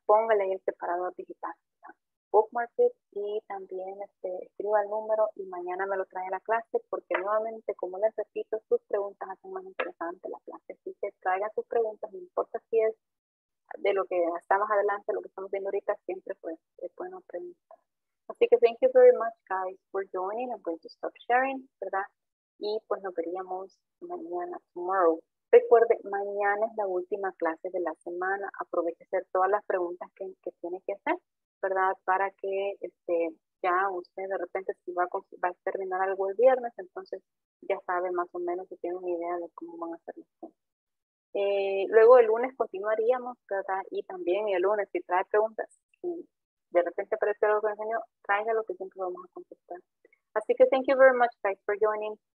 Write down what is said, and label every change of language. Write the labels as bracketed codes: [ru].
[es] Póngale el separador digital, ¿verdad? [en] Bookmark it [es] y también escriba el número y mañana me lo trae a la clase porque nuevamente, como les repito, sus preguntas hacen más interesante la clase. Si se traiga sus preguntas, no importa si es de lo que está más adelante, lo que estamos viendo ahorita, siempre pues, pueden preguntar. Así que [en] thank you very much, guys, for joining. I'm going to stop sharing, [es] ¿verdad? Y pues nos veríamos mañana, [en] tomorrow. [es] Recuerde, mañana es la última clase de la semana. Aproveche a hacer todas las preguntas que tiene que hacer, ¿verdad? Para que ya usted de repente si va a terminar algo el viernes, entonces ya sabe más o menos y tiene una idea de cómo van a hacer las cosas. Luego el lunes continuaríamos, ¿verdad? Y también el lunes, si trae preguntas, sí. De repente aparece algo que enseño, traiga lo que siempre vamos a contestar. Así que [en] thank you very much, guys, for joining.